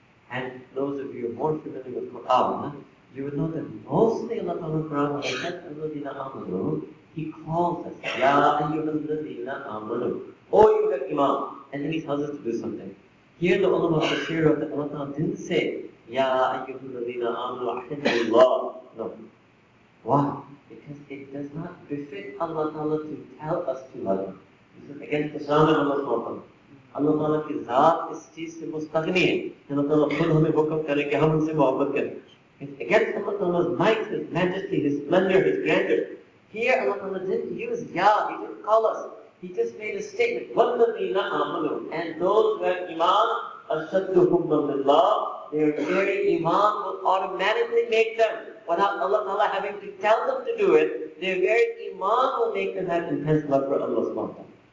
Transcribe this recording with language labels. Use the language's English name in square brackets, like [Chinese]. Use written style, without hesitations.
[English] And those of you more familiar with Quran, you would know that mostly Allah in the Quran, when he said Alladina Amanu, he calls us, Ya ayyuhal ladina amanu, O you have Imam, and then he tells us to do something. Here the ulama of Bashir wrote that Allah didn't say, Ya ayyuhal ladina amanu, ahimdulillah. No. Why? Because it does not befit Allah to tell us to love him. This is against the Shaman of Allah. [Urdu] اللہ تعالیٰ کی ذات اس چیز سے مستغنی ہے۔ اللہ تعالیٰ خود ہمیں حکم کرے کہ ہم ان سے محبت کرے۔ [English] Against Allah Ta'ala's might, His majesty, His splendor, His grandeur. Here Allah Ta'ala didn't use Ya, He didn't call us. He just made a statement. [Arabic] وَالَّذِينَ آمَنُوا [English] And those who have Iman, [Arabic] أَشَدُّ هُمَّا لِلَّهِ [English] Their very Iman will automatically make them, without Allah Ta'ala having to tell them to do it, their very Iman will make them have intense love for Allah Subhanahu wa Ta'ala.